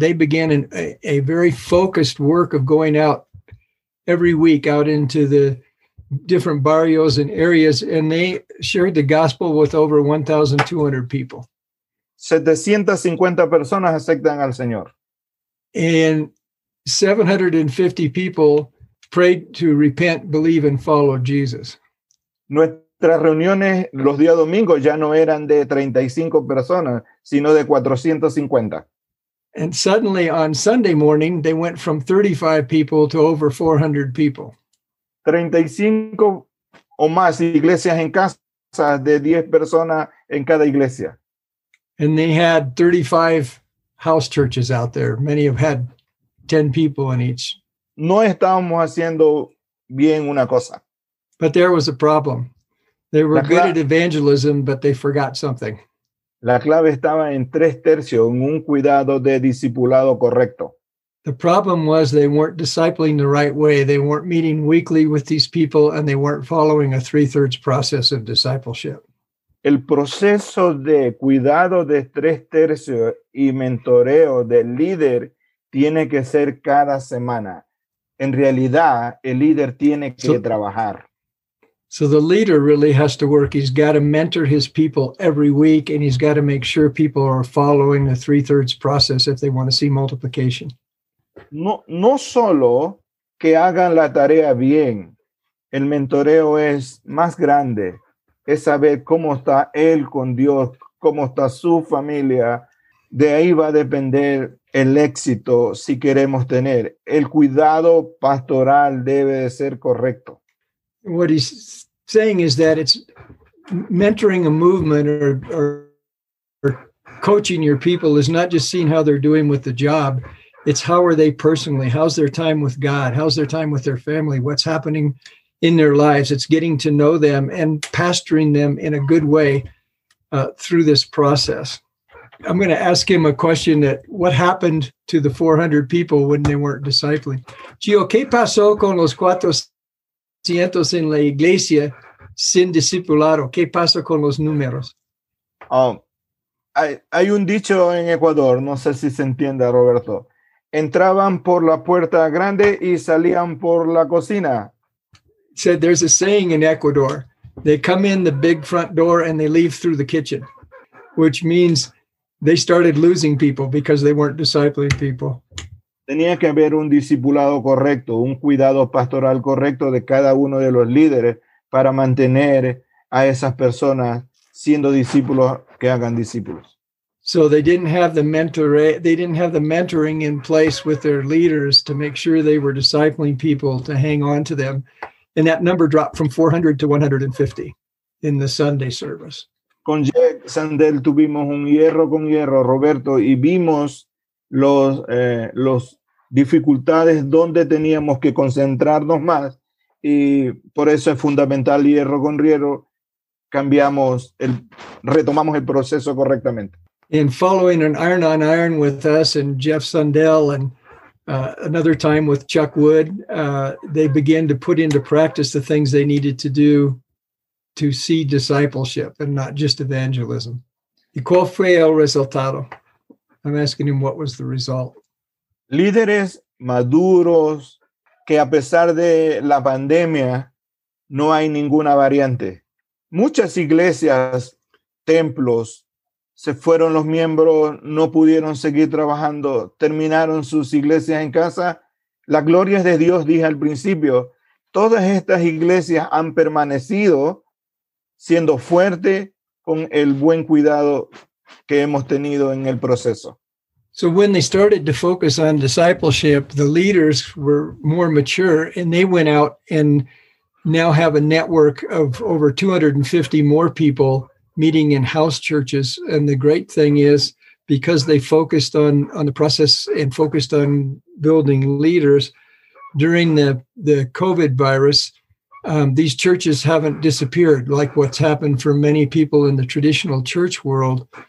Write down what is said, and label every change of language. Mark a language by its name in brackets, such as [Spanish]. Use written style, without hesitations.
[English] They began a very focused work of going out every week out into the different barrios and areas, and they shared the gospel with over 1,200 people. [Spanish] 750 personas aceptan al Señor. [English] And 750 people prayed to repent, believe, and follow Jesus. [Spanish] Nuestras reuniones los días domingos ya no eran de 35 personas, sino de 450. [English] And suddenly on Sunday morning, they went from 35 people to over 400 people. [Spanish] 35 o más iglesias en casa de 10 personas en cada iglesia. [English] And they had 35 house churches out there. Many have had 10 people in each. [Spanish] No estábamos haciendo bien una cosa. [English] But there was a problem. They were good at evangelism, but they forgot something. [Spanish] La clave estaba en tres tercios, en un cuidado de discipulado correcto. [English] The problem was they weren't discipling the right way. They weren't meeting weekly with these people and they weren't following a 3/3 process of discipleship. [Spanish] El proceso de cuidado de tres tercios y mentoreo del líder tiene que ser cada semana. En realidad, el líder tiene que trabajar. [English] So the leader really has to work. He's got to mentor his people every week, and he's got to make sure people are following the three-thirds process if they want to see multiplication. [Spanish] No solo que hagan la tarea bien. El mentoreo es más grande. Es saber cómo está él con Dios, cómo está su familia. De ahí va a depender el éxito si queremos tener. El cuidado pastoral debe de ser correcto. [English] What he's saying is that it's mentoring a movement or coaching your people is not just seeing how they're doing with the job. It's how are they personally? How's their time with God? How's their time with their family? What's happening in their lives? It's getting to know them and pastoring them in a good way through this process. I'm going to ask him a question that what happened to the 400 people when they weren't discipling? [Spanish] Gio, ¿qué pasó con los 400 en la iglesia sin discipulado? ¿Qué pasó con los números? Hay un dicho en Ecuador, no sé si se entienda, Roberto. Entraban por la puerta grande y salían por la cocina. [English] Said there's a saying in Ecuador, they come in the big front door and they leave through the kitchen, which means they started losing people because they weren't discipling people. [Spanish] Tenía que haber un discipulado correcto, un cuidado pastoral correcto de cada uno de los líderes para mantener a esas personas siendo discípulos que hagan discípulos. [English] So they didn't have the mentor, they didn't have the mentoring in place with their leaders to make sure they were discipling people to hang on to them. And that number dropped from 400 to 150 in the Sunday service. [Spanish] Con Jack Sandel tuvimos un hierro con hierro, Roberto, y vimos los dificultades donde teníamos que concentrarnos más. Y por eso es fundamental hierro con hierro, retomamos el proceso correctamente. [English] In following an iron on iron with us and Jeff Sundell and another time with Chuck Wood, they began to put into practice the things they needed to do to see discipleship and not just evangelism. [Spanish] ¿Y cuál fue el resultado? [English] I'm asking him what was the result. [Spanish] Líderes maduros que a pesar de la pandemia no hay ninguna variante. Muchas iglesias, templos, se fueron los miembros, no pudieron seguir trabajando, terminaron sus iglesias en casa. La gloria es de Dios, dije al principio. Todas estas iglesias han permanecido siendo fuerte con el buen cuidado que hemos tenido en el proceso. [English] So when they started to focus on discipleship, the leaders were more mature and they went out and now have a network of over 250 more people meeting in house churches. And the great thing is, because they focused on the process and focused on building leaders during the COVID virus, these churches haven't disappeared like what's happened for many people in the traditional church world.